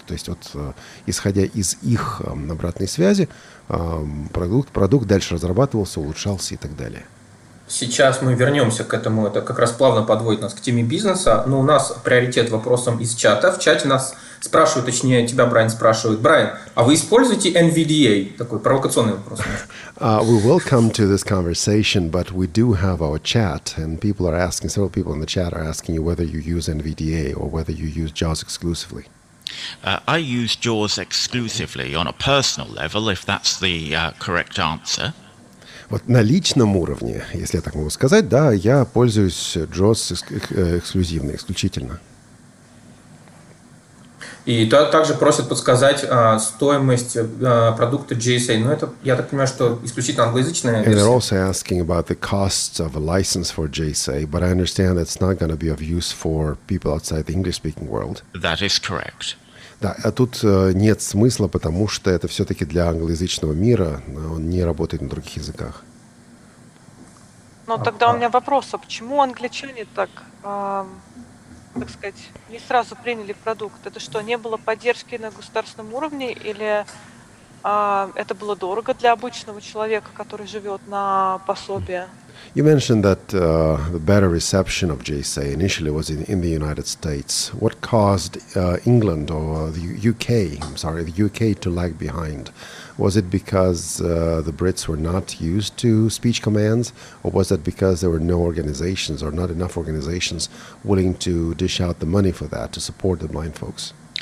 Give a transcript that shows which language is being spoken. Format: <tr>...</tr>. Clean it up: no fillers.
<ru>То есть вот, исходя из их обратной связи, продукт дальше разрабатывался, улучшался и так далее. Сейчас мы вернемся к этому, это как раз плавно подводит нас к теме бизнеса, но у нас приоритет вопросам из чата. В чате нас спрашивают, точнее, тебя Брайан спрашивает: Брайан, а вы используете NVDA? Такой провокационный вопрос.</ru> <en>We will come to this conversation, but we do have our chat, and people are asking, several people in the chat are asking you whether you use NVDA or whether you use JAWS exclusively. I use JAWS exclusively on a personal level, if that's the correct answer.</en> <ru>Вот на личном уровне, если я так могу сказать, да, я пользуюсь JAWS эксклюзивно, исключительно. И также просят подсказать стоимость продукта GSA. Но это, я так понимаю, что исключительно англоязычная версия.</ru> <en>And they're also asking about the costs of a license for GSA, but I understand it's not going to be of use for people outside the English-speaking world. That is correct.</en> <ru>Да, а тут нет смысла, потому что это все-таки для англоязычного мира, он не работает на других языках. Ну тогда у меня вопрос, а почему англичане так, так сказать, не сразу приняли продукт? Это что, не было поддержки на государственном уровне, или это было дорого для обычного человека, который живет на пособие?</ru> <en>You mentioned that the better reception of JSA initially was in the United States. What caused England or the UK, I'm sorry, the UK to lag behind? Was it because the Brits were not used to speech commands, or was it because there were no organizations or not enough organizations willing to dish out the money for that to support the blind folks?</en>